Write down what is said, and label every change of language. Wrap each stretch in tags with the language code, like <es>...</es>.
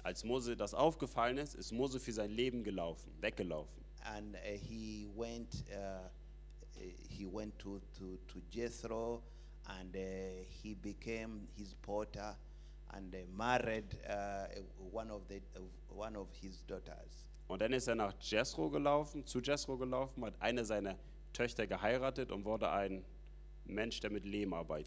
<de>Als Mose das aufgefallen ist, ist Mose für sein Leben gelaufen, weggelaufen.</de> <en>And he went to Jethro, and he became his porter, and married one of his daughters.</en> <de>Und dann ist er nach Jethro gelaufen, zu Jethro gelaufen, hat eine seiner Töchter geheiratet und wurde ein Mensch, der mit Lehm arbeitet.</de>